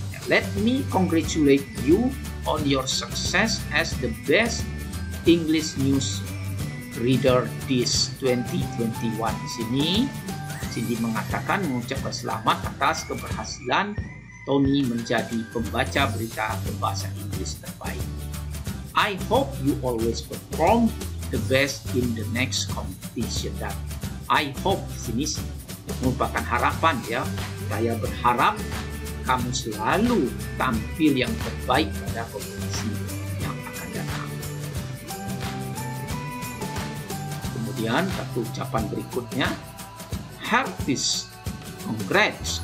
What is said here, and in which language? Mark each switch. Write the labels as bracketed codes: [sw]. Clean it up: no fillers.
[en] Let me congratulate you on your success as the best English news Reader Disc 2021. [id] Di sini Cindy mengatakan mengucapkan selamat atas keberhasilan Tony menjadi pembaca berita berbahasa Inggris terbaik. [en] I hope you always perform the best in the next competition. [id] Dan [en] I hope [id] sini merupakan harapan ya. Saya berharap kamu selalu tampil yang terbaik pada kompetisi yang akan datang. Kemudian satu ucapan berikutnya, Harpies, congrats.